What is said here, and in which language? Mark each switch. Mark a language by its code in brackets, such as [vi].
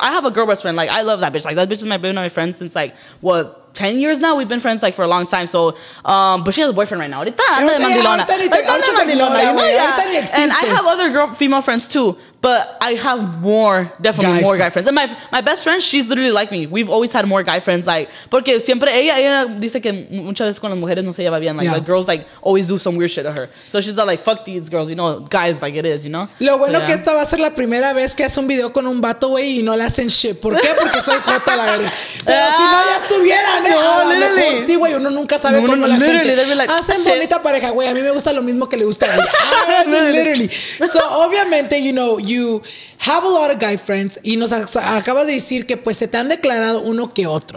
[en] I have a girl best friend like I love that bitch like that bitch has been my friend since like what 10 years now, we've been friends like for a long time. So, but she has a boyfriend right now. And I have other girl, female friends too, but I have more, definitely guy more guy friends. And my best friend, she's literally like me. We've always had more guy friends. [es] Like, porque siempre ella dice que muchas veces con las mujeres no se lleva bien. Like, yeah. [en] Like girls like always do some weird shit to her. So she's not like, fuck these girls, you know, guys like it is, you know? [es] Lo bueno que esta va a ser la primera vez que hace un video con un vato, güey, y no le hacen shit. ¿Por qué? Porque soy jota la verga. Pero si no ya estuviera. Sí, güey, uno nunca sabe cómo la gente like, hacen shit. Bonita pareja, güey. A mí me gusta lo mismo que le gusta a ella. Literally. So, obviamente, [en] you know, you have a lot of guy friends [es] y nos acabas de decir que pues se te han declarado uno que otro.